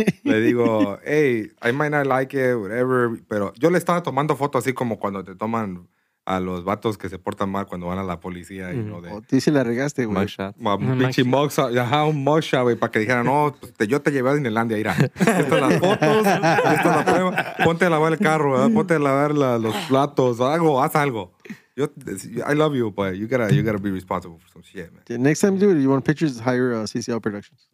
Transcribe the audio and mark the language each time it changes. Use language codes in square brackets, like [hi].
[es] Le digo, [en] hey, I might not like it, whatever. [es] Pero yo le estaba tomando fotos así como cuando te toman a los vatos que se portan mal cuando van a la policía. Y no de, oh, tú sí la regaste, güey. [en] Mugshot. [es] Pinche mugshot. Ajá, un mugshot, güey, para que dijeran, no, pues yo te llevé a Disneylandia, mira. Estas las fotos, esta es la prueba. Ponte a lavar el carro, ¿verdad? Ponte a lavar los platos, algo, haz algo. [en] Yo, I love you, but you gotta be responsible for some shit, man. Yeah, next time you do it, you want pictures, hire CCL Productions.